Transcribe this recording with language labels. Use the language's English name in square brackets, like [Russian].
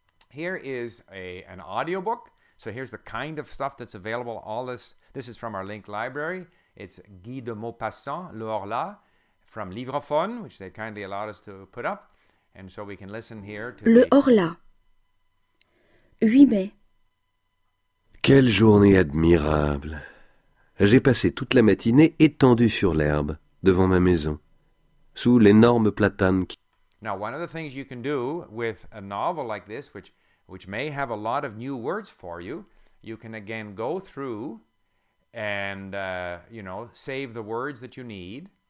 [English] Here is an audiobook. So here's the kind of stuff that's available. All this is from our LingQ library. It's Guy de Maupassant, Le Horla, from Livrophone, which they kindly allowed us to put up. And so we can listen here to [French] Le Horla, 8 mai. Quelle journée admirable! J'ai passé toute la matinée étendu sur l'herbe, devant ma maison, sous l'énorme platane qui... [English] Now, one of the things you can do with a novel like this, which may have a lot of new words for you, you can again go through and, you know, save the words that you need.